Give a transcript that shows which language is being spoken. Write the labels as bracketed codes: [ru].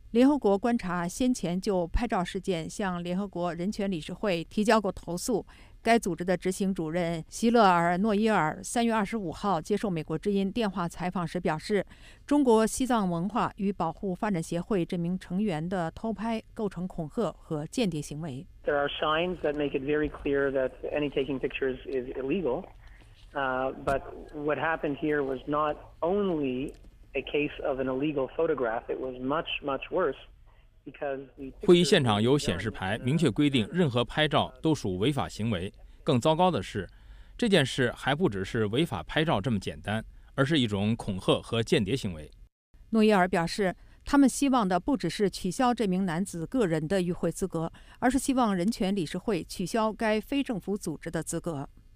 [zh] 联合国观察先前就拍照事件向联合国人权理事会提交过投诉，该组织的执行主任席勒尔·诺伊尔3月25号接受美国之音电话采访时表示，中国西藏文化与保护发展协会这名成员的偷拍构成恐吓和间谍行为。 [en] There are signs that make it very clear that any taking pictures is illegal. But what happened here was not only a case of an illegal photograph. It was much, much worse. [zh] 会议现场有显示牌，明确规定任何拍照都属违法行为。更糟糕的是，这件事还不只是违法拍照这么简单，而是一种恐吓和间谍行为。诺伊尔表示，他们希望的不只是取消这名男子个人的与会资格，而是希望人权理事会取消该非政府组织的资格。